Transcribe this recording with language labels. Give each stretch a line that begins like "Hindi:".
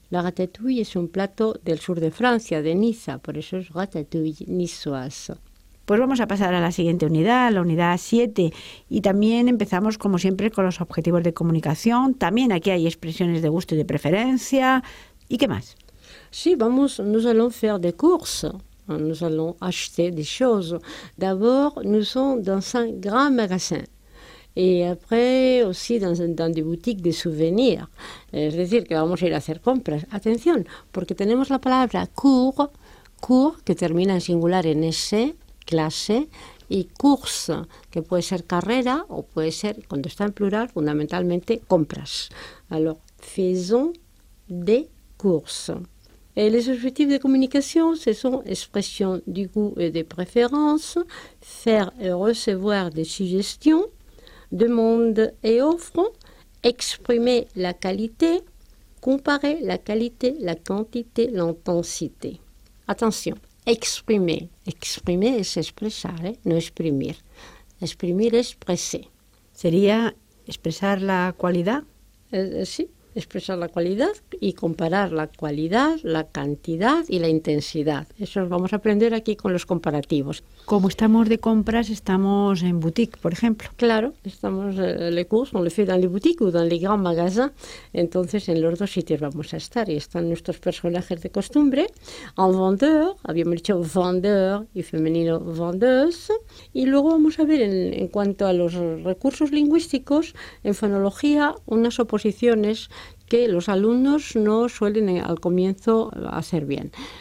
Spanish: La ratatouille es un plato del sur de Francia, de Niza, por eso es ratatouille niçoise. Pues vamos a pasar a la siguiente unidad, la unidad 7. Y también empezamos, como siempre, con los objetivos de comunicación. También aquí hay expresiones de gusto y de preferencia. ¿Y qué más? Sí, vamos,
French: nous allons faire des courses. Nous allons acheter des choses. D'abord, nous sommes dans un grand magasin. Et après, aussi dans des boutiques de souvenirs.
Spanish: Es decir, que vamos a ir a hacer compras. Atención, porque tenemos la palabra cours, cours, que termina en singular en S, clase, y course, que puede ser carrera o puede ser, cuando está en plural, fundamentalmente compras.
French: Alors, faisons des courses. Et les objectifs de communication, ce sont expression du goût et des préférences, faire et recevoir des suggestions, demandes et offres, exprimer la qualité, comparer la qualité, la quantité, l'intensité. Attention, exprimer. Exprimer
Spanish: es expresar, no exprimir. Exprimir es expresar. ¿Sería expresar la cualidad? Sí. Expresar la cualidad y comparar la cualidad, la cantidad y la intensidad. Eso lo vamos a aprender aquí con los comparativos. Como estamos de compras, estamos en boutique, por ejemplo. Claro, estamos en
French: les courses, on le fait dans les boutiques ou dans les grands magasins.
Spanish: Entonces, en los dos sitios vamos a estar. Y están nuestros personajes de costumbre. En vendeur, habíamos dicho vendeur y femenino vendeuse. Y luego vamos a ver, en cuanto a los recursos lingüísticos, en fonología, unas oposiciones que los alumnos no suelen al comienzo hacer bien.